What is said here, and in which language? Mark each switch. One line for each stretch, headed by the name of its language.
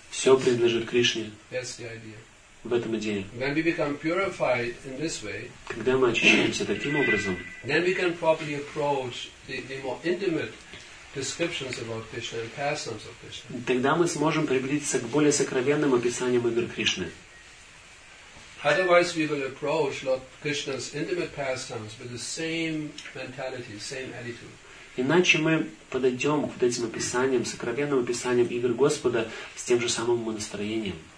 Russian: Все принадлежит Кришне.
English: That's the idea.
Russian: В этом идея.
English: When we become purified in this way,
Russian: когда мы очищаемся таким образом,
English: then we can properly approach the more intimate descriptions about Krishna and pastimes of Krishna.
Russian: Тогда мы сможем приблизиться к более сокровенным описаниям игр Кришны.
English: Otherwise, we will approach Lord Krishna's intimate pastimes with the same mentality, same attitude.
Russian: Иначе мы подойдем к этим описаниям, сокровенным описаниям игр Господа с тем же самым настроением.